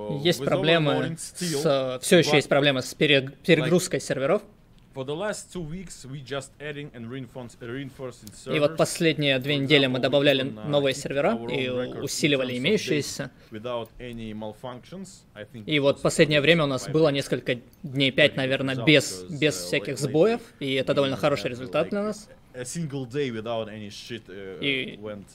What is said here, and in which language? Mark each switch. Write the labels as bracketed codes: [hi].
[ru] есть проблемы с все еще есть проблемы с перегрузкой серверов. [en] For the last two weeks we just adding and reinforcing servers. [ru] И вот последние две недели мы добавляли новые сервера и усиливали имеющиеся. [en] Without any malfunctions, I think. [ru] И вот последнее время у нас было несколько дней, пять, наверное, без всяких сбоев, и это довольно хороший результат для нас. [en] A single day without any shit went.